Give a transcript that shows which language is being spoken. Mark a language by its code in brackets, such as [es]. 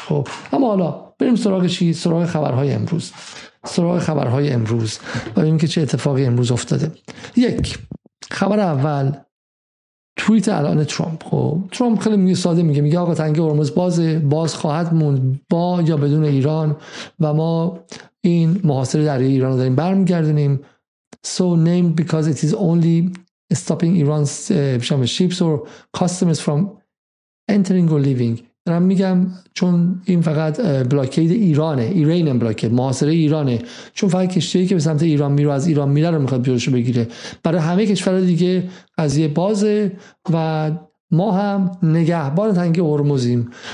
[fa] خب اما حالا بریم سراغ چی؟ سراغ خبرهای امروز ببینیم که چه اتفاقی امروز افتاده. یک، خبر اول توییت الان ترامپ. خب ترامپ خیلی میگه، ساده میگه، میگه آقا تنگه هرمز باز خواهد موند با یا بدون ایران و ما این محاصره در ایران رو داریم برمیگردونیم. [en] So named because it is only stopping Iran's ships or customers from entering or leaving. [fa] دارم میگم چون این فقط بلاکید ایرانه، ایران بلاکید، محاصره ایرانه، چون فقط کشتی که به سمت ایران میره از ایران میره رو میخواد بیرونش بگیره، برای همه کشورها دیگه قضیه بازه و ما هم نگهبان تنگه هرمزیم.